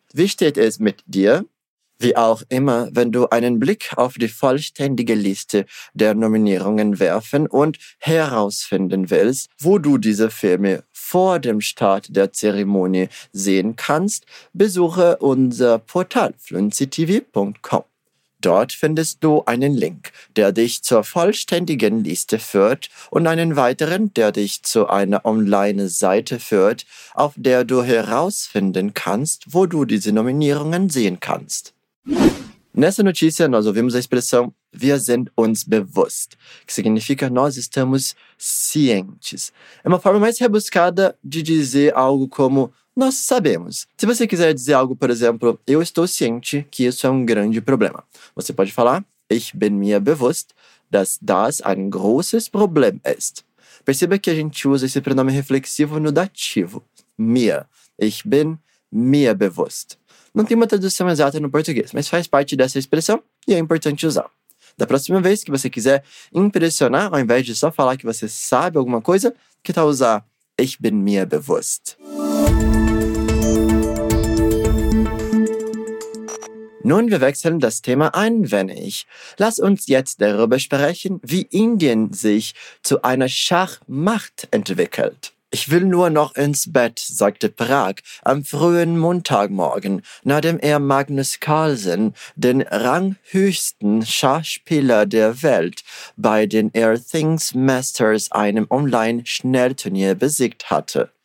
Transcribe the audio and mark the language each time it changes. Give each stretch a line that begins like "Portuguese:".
German: Wie steht es mit dir? Wie auch immer, wenn du einen Blick auf die vollständige Liste der Nominierungen werfen und herausfinden willst, wo du diese Filme vor dem Start der Zeremonie sehen kannst, besuche unser Portal fluencytv.com. Dort findest du einen Link, der dich zur vollständigen Liste führt und einen weiteren, der dich zu einer Online-Seite führt, auf der du herausfinden kannst, wo du diese Nominierungen sehen kannst.
Portuguese: Nessa notícia, nós ouvimos a expressão
German: wir sind uns bewusst,
Portuguese: que significa nós estamos cientes. É uma forma mais rebuscada de dizer algo como nós sabemos. Se você quiser dizer algo, por exemplo, eu estou ciente que isso é um grande problema. Você pode falar
German: ich bin mir bewusst, dass das ein großes Problem ist.
Portuguese: Perceba que a gente usa esse pronome reflexivo no dativo. Mir.
German: Ich bin mir bewusst.
Portuguese: Não tem uma tradução exata no português, mas faz parte dessa expressão e é importante usar. Da próxima vez que você quiser impressionar, ao invés de só falar que você sabe alguma coisa, que tal usar
German: ich bin mir bewusst? Nun, wir wechseln das Thema ein wenig. Lass uns jetzt darüber sprechen, wie Indien sich zu einer Schachmacht entwickelt. Ich will nur noch ins Bett, sagte Prag am frühen Montagmorgen, nachdem er Magnus Carlsen, den ranghöchsten Schachspieler der Welt, bei den Airthings Masters, einem Online-Schnellturnier, besiegt hatte.